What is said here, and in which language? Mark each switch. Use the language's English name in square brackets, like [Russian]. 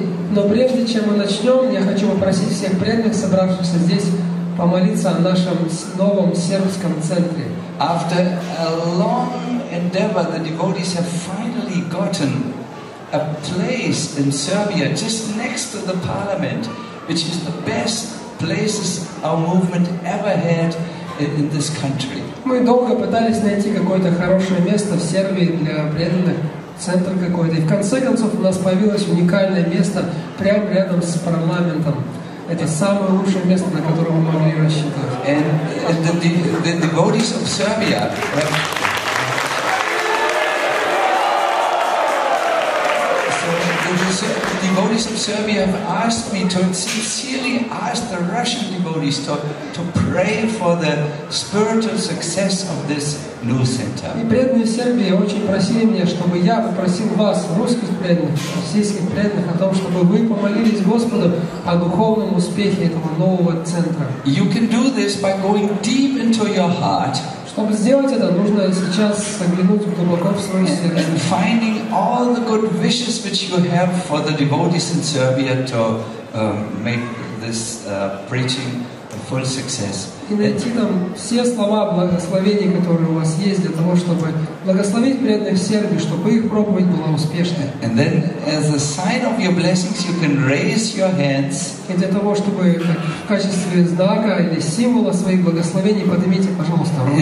[Russian] Но прежде чем мы начнем, я хочу попросить всех преданных, собравшихся здесь, помолиться о нашем новом сербском центре. [English] After a long endeavor, the devotees have finally gotten a place in Serbia, just next to the parliament, which is the best places our movement ever had in this country. [Russian] Мы долго пытались найти какое-то хорошее место в Сербии для преданных. Центр какой-то. И в конце концов у нас появилось уникальное место прямо рядом с парламентом. Это самое лучшее место, на которое мы могли рассчитывать. [English] And the devotees of Serbia. The devotees of Serbia have asked me to sincerely ask the Russian devotees to pray for the spiritual success of this new center. [Russian] И преданные Сербии очень просили меня, чтобы я попросил вас, русских преданных, российских преданных, о том, чтобы вы помолились Господу о духовном успехе этого нового центра. [English] You can do this by going deep into your heart. [Russian] Чтобы сделать это, нужно сейчас заглянуть глубоко в свое сердце. [English] Finding all the good wishes which you have for the devotees in Serbia to make this preaching a full success. [Russian] И найти там все слова благословения, которые у вас есть, для того, чтобы благословить преданных в Сербии, чтобы их проповедь была успешной. [English] And then, as a sign of your blessings, you can raise your hands. [Russian] И для того, чтобы в качестве знака или символа своих благословений, поднимите, пожалуйста, руки.